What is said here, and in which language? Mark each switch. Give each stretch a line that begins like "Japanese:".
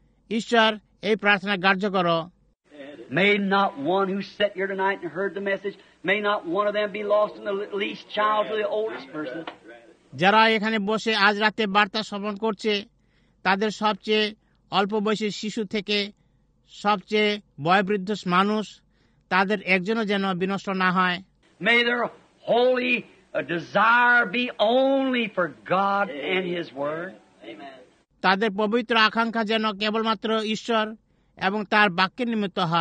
Bangla: Ishwar ei prarthona garjo koro.
English: May not one who sat here tonight and heard the message, may not one of them be lost in the least child or the oldest person.
Bangla: যারা এখানে বসে আজ রাতে বার্তা শ্রবণ করছে তাদের সবচেয়ে অল্প বয়সী শিশু থেকে সবচেয়ে বয়োবৃদ্ধ মানুষ তাদের একজনও যেন বিনষ্ট না হয়।
English: May their holy desire be only for God and his word. Amen.
Bangla: তাদের পবিত্র আকাঙ্ক্ষা যেন কেবলমাত্র ঈশ্বর এবং তার বাক্যের নিমিত্ত